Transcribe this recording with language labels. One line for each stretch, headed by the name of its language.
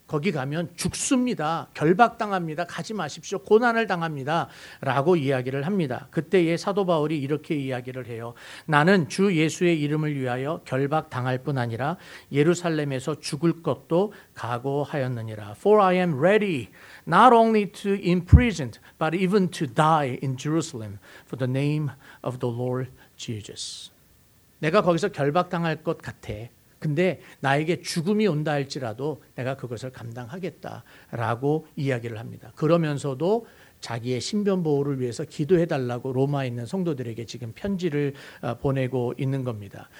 Korean: 거기 가면 죽습니다. 결박당합니다. 가지 마십시오. 고난을 당합니다. 라고 이야기를 합니다. 그때의 사도 바울이 이렇게 이야기를 해요. 나는 주 예수의 이름을 위하여 결박당할 뿐 아니라 예루살렘에서 죽을 것도 각오하였느니라.
English: For I am ready not only to imprison but even to die in Jerusalem for the name of the Lord Jesus.
Korean: 내가 거기서 결박당할 것 같아. 근데 나에게 죽음이 온다 할지라도 내가 그것을 감당하겠다라고 이야기를 합니다. 그러면서도 자기의 신변 보호를 위해서 기도해달라고 로마에 있는 성도들에게 지금 편지를 보내고 있는 겁니다.